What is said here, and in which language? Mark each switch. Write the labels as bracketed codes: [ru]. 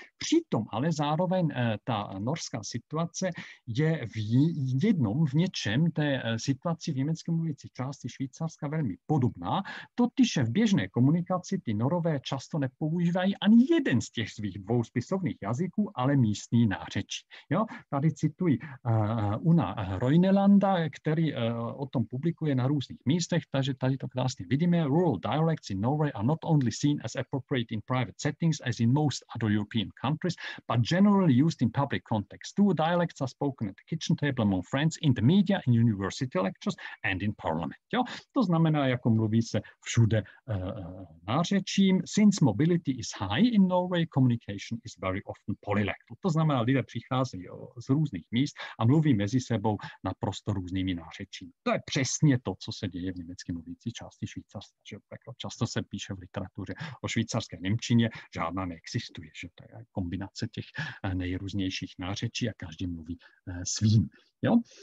[cs] Přitom ale zároveň ta norská situace je v něčem té situaci v německy mluvící části Švýcarska velmi podobná, totiž v běžné komunikaci ty Norové často nepoužívají ani jeden z těch svých dvou spisovných jazyků, ale místní nářečí. Jo? Tady cituji Una Roinelanda, který o tom publikuje na různých místech, takže tady to krásně vidíme. [en] Rural dialects in Norway are not only seen as appropriate in private settings as in most other European countries, but generally used in public context. Two dialects are spoken at the kitchen table among friends, in the media, in university lectures and in parliament. [cs] Jo? To znamená, jako mluví se všude nářečím. [en] Since mobility is high in Norway, communication is very often polylectal. [cs] To znamená, lidé přicházejí z různých míst a mluví mezi sebou naprosto různými nářečími. Řečí. To je přesně to, co se děje v německy mluvící části Švýcarska. Že? Často se píše v literatuře o švýcarské němčině, žádná neexistuje. Že? To je kombinace těch nejrůznějších nářečí a každý mluví svým. Jo?